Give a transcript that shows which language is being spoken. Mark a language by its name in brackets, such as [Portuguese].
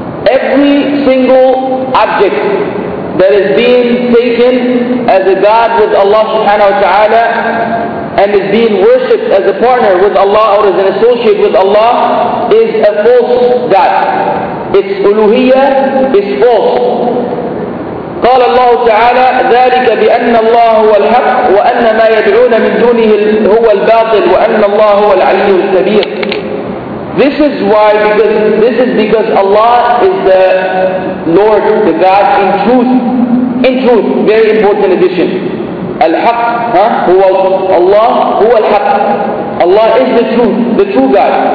[English] Every single object that is being taken as a god with Allah subhanahu wa ta'ala and is being worshipped as a partner with Allah or as an associate with Allah is a false god. Its uluhiyya is false. [Arabic] قال الله تعالى ذلك بأن الله هو الحق وأن ما يدعون من دونه هو الباطل وأن الله هو العلي الكبير. [English] This is why, because Allah is the Lord, the God in truth, very important addition. Al-Haq, Allah, huwa al-Haq. Allah is the truth, the true God.